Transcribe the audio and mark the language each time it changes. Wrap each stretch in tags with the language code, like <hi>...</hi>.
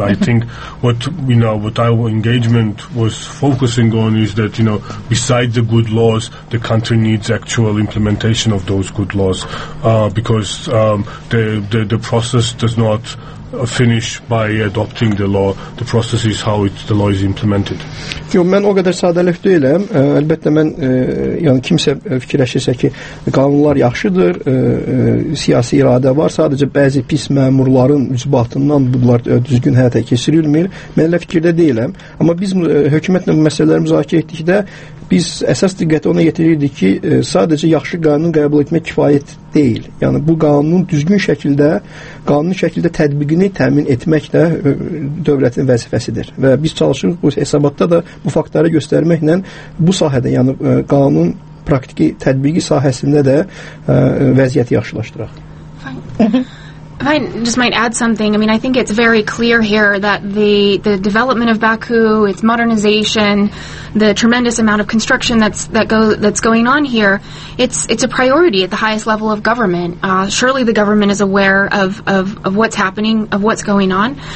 <en>I think what our engagement was focusing on is that, you know, besides the good laws, the country needs actual implementation of those good laws, because the process does not finish by adopting the law. The process is how the law is implemented.</en> <az>Yo, mən o qədər sadələf deyiləm. Əlbəttə mən yəni kimsə fikirləşirsə ki, qanunlar yaxşıdır, siyasi iradə var, sadəcə bəzi pis məmurların üzbatından bunlar düzgün həyata keçirilmir. Mən elə fikirdə deyiləm. Amma biz hökumətlə bu məsələləri müzakirə etdikdə biz əsas diqqəti ona yetirirdik ki, sadəcə yaxşı qanun qəbul etmək kifayət deyil. Yəni bu qanunun düzgün şəkildə, qanuni şəkildə tətbiqini təmin etmək də dövlətin vəzifəsidir. Və biz çalışırıq bu hesabatda da bu faktları göstərməklə bu sahədə, yəni qanun praktiki tətbiqi sahəsində də vəziyyəti yaxşılaşdıraq.</az> <en>If I just might add something, I mean, I think it's very clear here that the development of Baku, its modernization, the tremendous amount of construction that's going on here, it's a priority at the highest level of government. Surely the government is aware of what's happening, of what's going on.</en>